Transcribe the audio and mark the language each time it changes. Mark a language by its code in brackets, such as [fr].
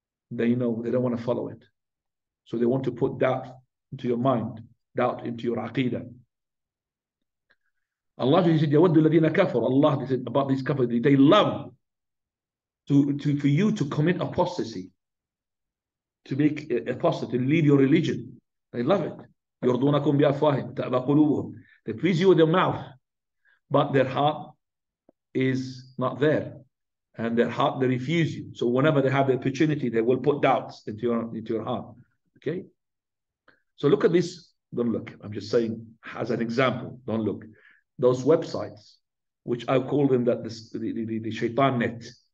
[en] They know, they don't want to follow it. So they want to put doubt into your mind, doubt into your aqeedah. Allah, he said, [ar] يَوَدُّ الَّذِينَ كَفَرُ. [en] Allah, he said about these kafir, they love to for you to commit apostasy, to make apostasy, to leave your religion. They love it. [ar] يرضونكم بأفواههم تأبى قلوبهم. [en] They please you with their mouth, but their heart is not there, and their heart, they refuse you. So whenever they have the opportunity, they will put doubts into your heart. Okay. So look at this. Don't look. I'm just saying as an example. Don't look. Those websites, which I call them the shaitan net.